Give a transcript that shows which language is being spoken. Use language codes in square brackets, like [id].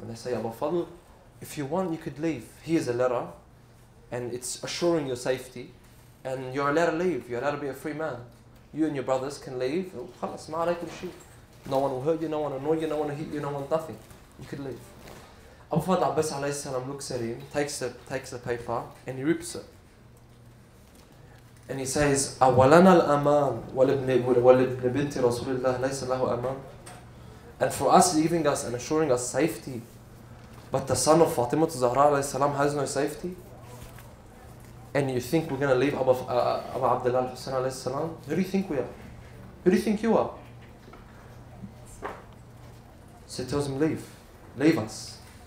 [en] And they say, Abu Fadl, if you want, you could leave. Here's a letter, and it's assuring your safety, and you're allowed to leave. You're allowed to be a free man. You and your brothers can leave. [ar] Khalas, ma alaykum shi. [en] No one will hurt you, no one will annoy you, no one will hit you, no one, nothing. You could leave. Abu Fadl Abbas alayhi salam looks at him, takes the paper, and he rips it. And he says, [ar] أَوَلَنَا الْأَمَانُ وَلِبْنِ بِنْتِ رَسُولِ اللَّهِ لَيْسَ لَهُ أَمَانُ. [en] And for us, leaving us and assuring us safety, but the son of Fatima Zahra alayhi salam has no safety? And you think we're going to leave Abu Abdullah al-Hussein alayhi salam? Who do you think we are? Who do you think you are? So he tells him, leave us.